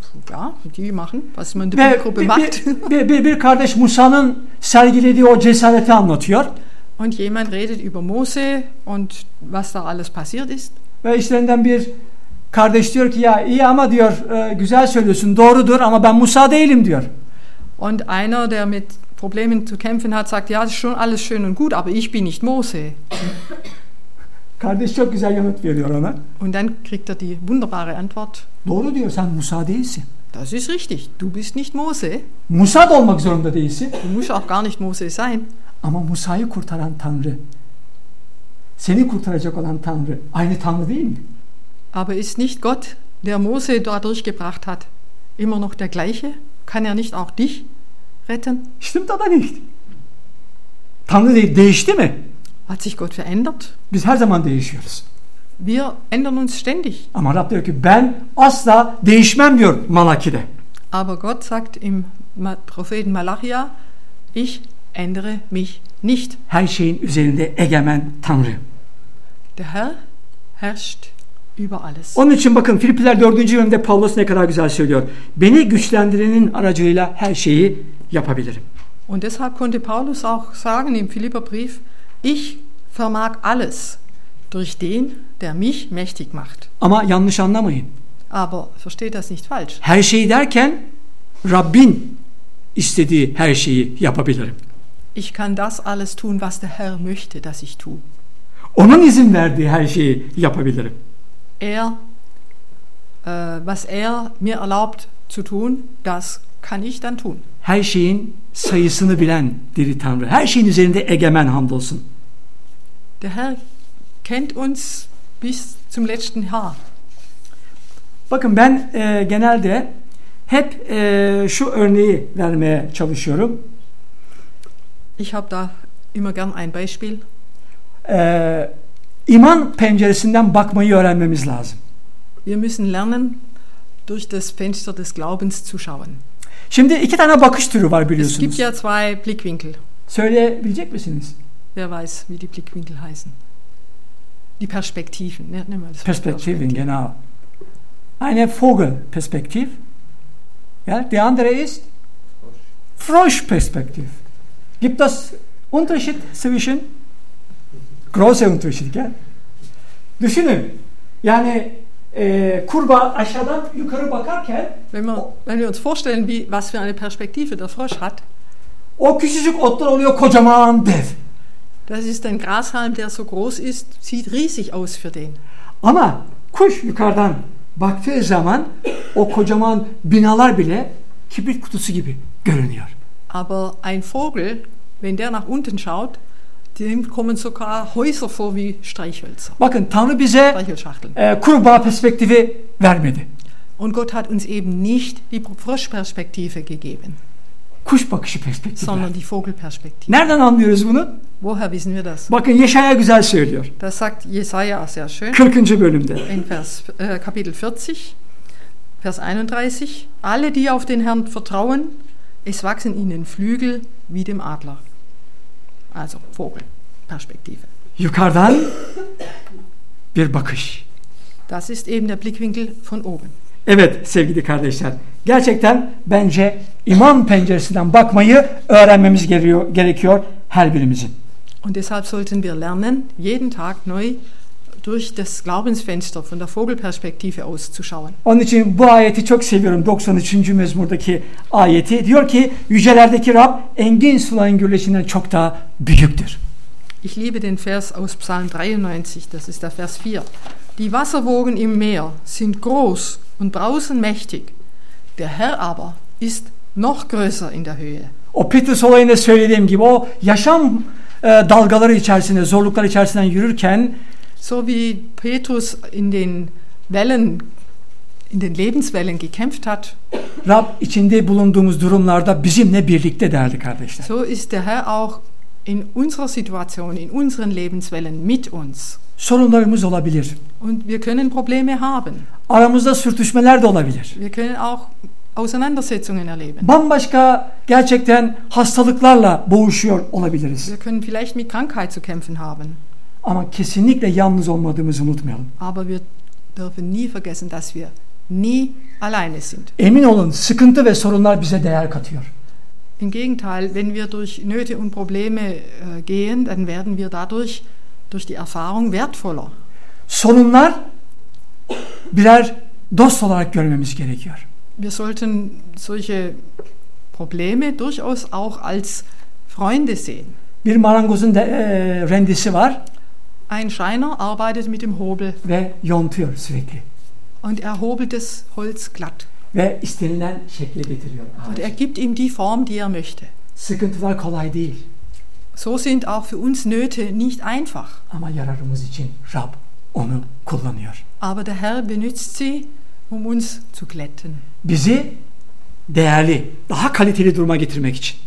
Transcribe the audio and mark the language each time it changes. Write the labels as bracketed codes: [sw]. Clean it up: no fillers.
[de] Ja, die machen, was man die Bibelgruppe macht. [tr] Bir kardeş Musa'nın sergilediği o cesareti anlatıyor. [de] Und jemand redet über Mose und was da alles passiert ist. [tr] Ve işlerinden bir kardeş diyor ki ya iyi ama diyor güzel söylüyorsun doğrudur ama ben Musa değilim diyor. [de] Und einer der mit Problemen zu kämpfen hat sagt ja schon alles schön und gut aber ich bin nicht Mose. [tr] Kardeş çok güzel yanıt veriyor ona. [de] Und dann kriegt er die wunderbare Antwort. [tr] Doğru diyor sen Musa değilsin. [de] Das ist richtig, du bist nicht Mose. [tr] Musa da olmak zorunda değilsin. [de] Du musst auch gar nicht Mose sein. [tr] Ama Musa'yı kurtaran Tanrı, seni kurtaracak olan Tanrı, aynı Tanrı değil mi? [de] Aber ist nicht Gott, der Mose dadurch gebracht hat, immer noch der gleiche? Kann er nicht auch dich retten? Stimmt aber nicht. [tr] Tanrı değişti mi? [de] Hat sich Gott verändert? [tr] Biz her zaman değişiyoruz. [de] Wir ändern uns ständig. [tr] Ama Rab diyor ki ben asla değişmem diyor Malaki'de. [de] Aber Gott sagt im Propheten Malachia, ich ändere mich nicht. [tr] Her şeyin üzerinde egemen Tanrı. [de] Der Herr herrscht über alles. [tr] Onun için bakın Filipliler 4. bölümde Paulus ne kadar güzel söylüyor. Beni güçlendirenin aracıyla her şeyi yapabilirim. [de] Und deshalb konnte Paulus auch sagen im Philipperbrief, ich vermag alles durch den, der mich mächtig macht. [tr] Ama yanlış anlamayın. [de] Aber versteht das nicht falsch. [tr] Her şeyi derken Rabbin istediği her şeyi yapabilirim. [de] Ich kann das alles tun, was der Herr möchte, dass ich tue. [tr] Onun izin verdiği her şeyi yapabilirim. [de] Er, was er mir erlaubt zu tun, das kann ich dann tun. [tr] Her şeyin sayısını bilen diri Tanrı, her şeyin üzerinde egemen hamdolsun. [de] Der Herr kennt uns bis zum letzten Haar. [tr] Bakın ben genelde hep şu örneği vermeye çalışıyorum. [de] Ich habe da immer gern ein Beispiel. [tr] İman penceresinden bakmayı öğrenmemiz lazım. [de] Wir müssen lernen, durch das Fenster des Glaubens zu schauen. [tr] Şimdi iki tane bakış türü var biliyorsunuz. [de] Es gibt ja zwei Blickwinkel. [tr] Söyleyebilecek misiniz? [de] Wer weiß, wie die Blickwinkel heißen. Die Perspektiven. Perspektiven, genau. Eine Vogelperspektive. Ja, die andere ist Froschperspektive. Gibt es Unterschied zwischen? Große Unterschied, gell? [tr] Düşünün. Yani Kurba aşağıdan yukarı bakarken, [de] wenn wir uns vorstellen, wie, was für eine Perspektive der Frosch hat, [tr] o küçücük otlar oluyor kocaman dev. [de] Das ist ein Grashalm, der so groß ist, sieht riesig aus für den. [tr] Ama kuş yukarıdan baktığı zaman o kocaman binalar bile kibrit kutusu gibi görünüyor. [de] Aber ein Vogel, wenn der nach unten schaut, dem kommen sogar Häuser vor wie Streichhölzer. [tr] Bakın Tanrı bize kurbağa perspektifi vermedi. [de] Und Gott hat uns eben nicht die Froschperspektive gegeben. [tr] Kuş bakışı perspektifi. [de] Sondern die Vogelperspektive. [tr] Nereden anlıyoruz bunu? [de] Woher wissen wir das? [tr] Bakın Yeşaya güzel söylüyor. [de] Das sagt Jesaja sehr schön. [tr] 40. bölümde. [de] In Kapitel 40, Vers 31. Alle, die auf den Herrn vertrauen, es wachsen ihnen Flügel wie dem Adler. Also Vogelperspektive. [tr] Yukarıdan bir bakış. [de] Das ist eben der Blickwinkel von oben. [tr] Evet sevgili kardeşler. Gerçekten bence iman penceresinden bakmayı öğrenmemiz gerekiyor her birimizin. [de] Und deshalb sollten wir lernen, jeden Tag neu durch das Glaubensfenster von der Vogelperspektive auszuschauen. [tr] Onun için bu ayeti çok seviyorum. 93. mezmurdaki ayeti diyor ki yücelerdeki Rab engin suların gürleşinden çok daha büyüktür. [de] Ich liebe den Vers aus Psalm 93, das ist der Vers 4. Die Wasserwogen im Meer sind groß und brausen mächtig. Der Herr aber ist noch größer in der Höhe. [tr] O Petrus olayında söylediğim gibi o yaşam dalgaları içerisinde, zorluklar içerisinden yürürken, [de] so wie Petrus in den Wellen, in den Lebenswellen gekämpft hat, [tr] Rab içinde bulunduğumuz durumlarda bizimle birlikte değerli kardeşler. [de] So ist der Herr auch in unserer Situation, in unseren Lebenswellen mit uns. [tr] Sorunlarımız olabilir. [de] Und wir können Probleme haben. [tr] Aramızda sürtüşmeler de olabilir. [de] Wir können auch Auseinandersetzungen erleben. [tr] Bambaşka gerçekten hastalıklarla boğuşuyor olabiliriz. [de] Wir können vielleicht mit Krankheit zu kämpfen haben. [tr] Ama kesinlikle yalnız olmadığımızı unutmayalım. [de] Aber wir dürfen nie vergessen, dass wir nie alleine sind. [tr] Emin olun, sıkıntı ve sorunlar bize değer katıyor. [de] Im Gegenteil, wenn wir durch Nöte und Probleme gehen, dann werden wir dadurch durch die Erfahrung wertvoller. [tr] Sorunlar birer dost olarak görmemiz gerekiyor. [de] Wir sollten solche Probleme durchaus auch als Freunde sehen. [tr] Bir marangozun rendisi var. [de] Ein Schreiner arbeitet mit dem Hobel. [tr] Ve yontuyor sürekli. [de] Und er hobelt das Holz glatt. [tr] Ve istenilen şekle getiriyor. Ağacı. [de] Und er gibt ihm die Form, die er möchte. [tr] Sıkıntılar kolay değil. [de] So sind auch für uns Nöte nicht einfach. [tr] Ama yararımız için Rab onu kullanıyor. [de] Aber der Herr benutzt sie, um uns zu glätten. [tr] Bizi değerli, daha kaliteli duruma getirmek için.